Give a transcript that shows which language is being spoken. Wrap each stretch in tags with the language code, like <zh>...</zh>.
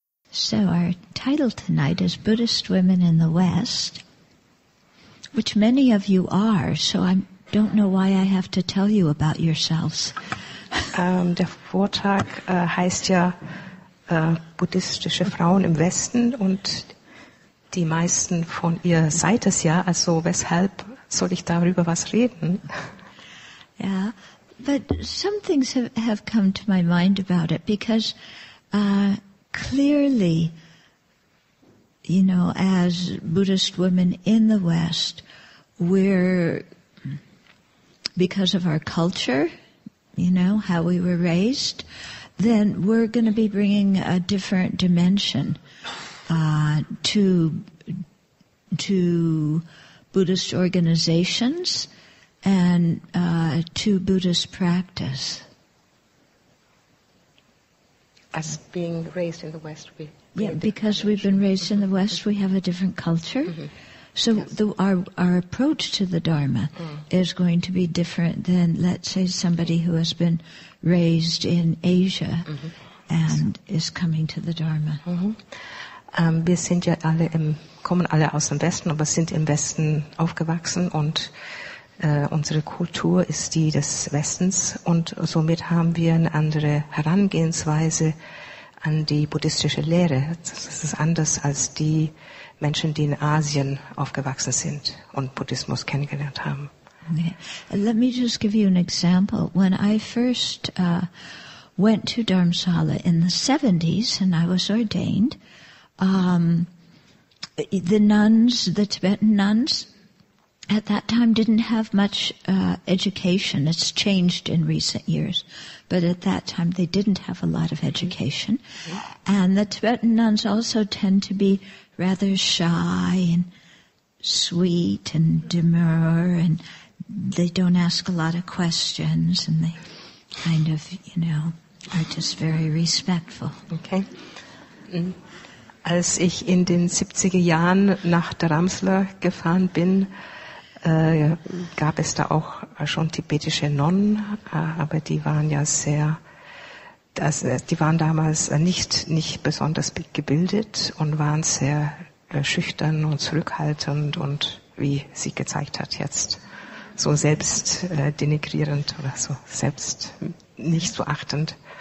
<en>So our title tonight is Buddhist Women in the West, which many of you are, so I don't know why I have to tell you about yourselves.</en> <de>Der Vortrag heißt ja buddhistische Frauen im Westen und die meisten von ihr seid es ja, also weshalb soll ich darüber was reden? Ja. Yeah.</de> <en>But some things have come to my mind about it, because clearly, you know, as Buddhist women in the West, we're, because of our culture, you know, how we were raised, then we're going to be bringing a different dimension to Buddhist organizations and to Buddhist practice. As being raised in the West, we... Yeah, because we've been raised in the West, we have a different culture. Mm-hmm. So yes. our approach to the Dharma is going to be different than, let's say, somebody who has been raised in Asia and is coming to the Dharma. Mm-hmm.</en> <de>Wir sind ja alle kommen alle aus dem Westen, aber sind im Westen aufgewachsen und unsere Kultur ist die des Westens und somit haben wir eine andere Herangehensweise an die buddhistische Lehre. Das ist anders als die Menschen, die in Asien aufgewachsen sind und Buddhismus kennengelernt haben.</de> <en>Okay. Let me just give you an example. When I first went to Dharamsala in the 70s and I was ordained, the nuns, the Tibetan nuns, at that time didn't have much education. It's changed in recent years, but at that time they didn't have a lot of education. Mm-hmm. And the Tibetan nuns also tend to be rather shy and sweet and demure, and they don't ask a lot of questions, and they kind of, you know, are just very respectful. Okay. Mm-hmm.</en> <de>Als ich in den 70er Jahren nach Dharamsala gefahren bin, gab es da auch schon tibetische Nonnen, aber die waren ja sehr, die waren damals nicht besonders gebildet und waren sehr schüchtern und zurückhaltend und, wie sie gezeigt hat jetzt, so selbst denigrierend oder so, selbst nicht so achtend.</de>